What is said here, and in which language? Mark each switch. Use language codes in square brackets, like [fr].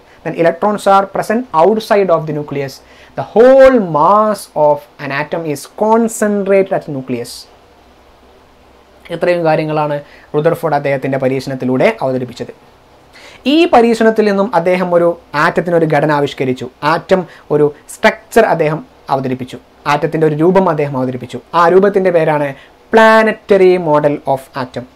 [en] Then electrons are present outside of the nucleus. The whole mass of an atom is concentrated at the nucleus. [ml] ഇത്രയും കാര്യങ്ങളാണ് Rutherford അദ്ദേഹത്തിൻ്റെ പരീക്ഷണത്തിലൂടെ അവതരിപ്പിച്ചത്. ഈ പരീക്ഷണത്തിൽ നിന്നും അദ്ദേഹം ഒരു ആറ്റത്തിനൊരു ഘടന ആവിഷ്കരിച്ചു. ആറ്റം ഒരു സ്ട്രക്ചർ അദ്ദേഹം അവതരിപ്പിച്ചു. ആറ്റത്തിൻ്റെ ഒരു രൂപം അദ്ദേഹം അവതരിപ്പിച്ചു. ആ രൂപത്തിൻ്റെ പേരാണ് പ്ലാനറ്ററി മോഡൽ ഓഫ് ആറ്റം.